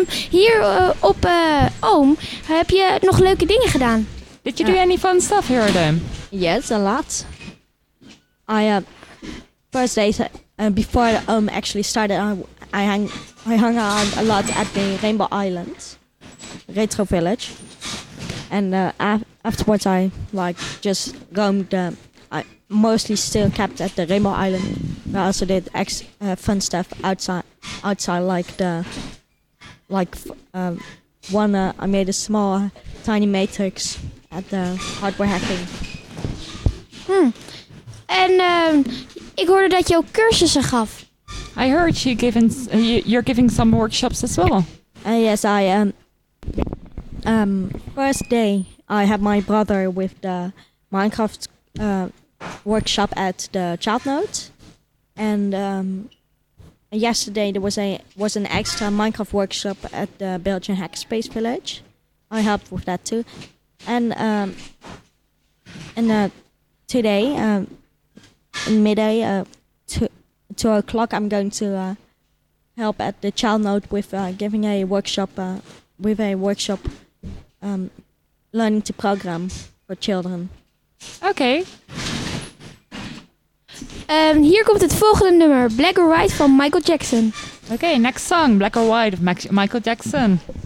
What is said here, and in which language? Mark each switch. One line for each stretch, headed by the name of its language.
Dutch: Hier op Oom, heb je nog leuke dingen gedaan?
English: Did you do any fun stuff here at Oom? Yes, a lot. I first day before the Oom actually started, I hung out a lot at the Rainbow Island, Retro Village. And afterwards, I like just roamed. I mostly still kept at the Rainbow Island. I also did fun stuff outside like the I made a small, tiny matrix at the hardware hacking.
Dutch: En ik hoorde dat je ook cursussen gaf.
English: I heard you're giving some workshops as well. Yes, I am. First day, I had my brother with the Minecraft workshop at the Childnode. And yesterday there was an extra Minecraft workshop at the Belgian Hackspace Village. I helped with that too. And today, midday, 2 o'clock, I'm going to help at the Childnode with giving a workshop learning to program for children. Okay.
Dutch: Hier komt het volgende nummer, Black or White van Michael Jackson.
English: Okay, next song, Black or White of Michael Jackson.